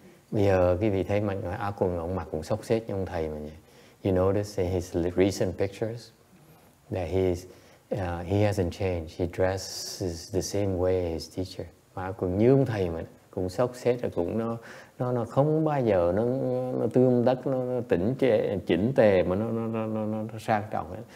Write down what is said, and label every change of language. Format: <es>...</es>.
<vi>Bây giờ cái vị thấy mặc áo quần ông mặc cũng xốc xếch như ông thầy mà nhỉ.</vi> <en>You notice in his recent pictures that he hasn't changed. He dresses the same way as teacher.</en> <vi>Mà áo quần như ông thầy mà cũng xốc xếch rồi cũng nó không bao giờ nó tươm tất, nó tỉnh trẻ chỉnh tề mà nó sang trọng.</vi>